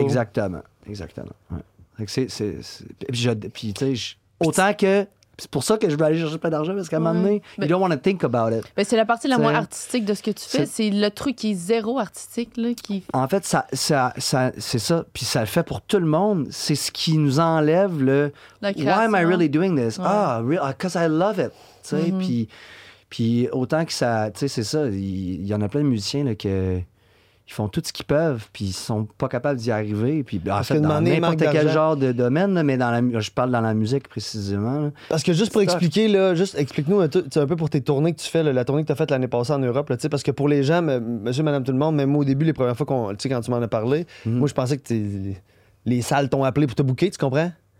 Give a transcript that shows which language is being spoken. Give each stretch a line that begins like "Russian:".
French: Exactement. Ouais. Autant que. C'est pour ça que je veux aller chercher plein d'argent, parce qu'à un moment donné,
English: you don't want to think about it.
French: Mais c'est la partie la moins artistique de ce que tu fais. C'est le truc qui est zéro artistique. Là, qui... En fait, ça, c'est ça. Puis ça le fait pour tout le monde. C'est ce qui nous enlève le. La création.
English: Why am I really doing this? Ouais. Ah, because I love it. Puis
French: Puis autant que ça, tu sais, c'est ça, il y en a plein de musiciens là, que ils font tout ce qu'ils peuvent, puis ils sont pas capables d'y arriver. Puis en fait, dans n'importe quel genre de domaine, mais dans la, je parle dans la musique précisément. Là. Parce que juste pour expliquer, là, juste explique-nous un peu pour tes tournées que tu fais, là, la tournée que tu as faite l'année passée en Europe. Là, parce que pour les gens, monsieur, madame, tout le monde, même au début, les premières fois quand tu m'en as parlé, moi, je pensais que les salles t'ont appelé pour te booker, tu comprends?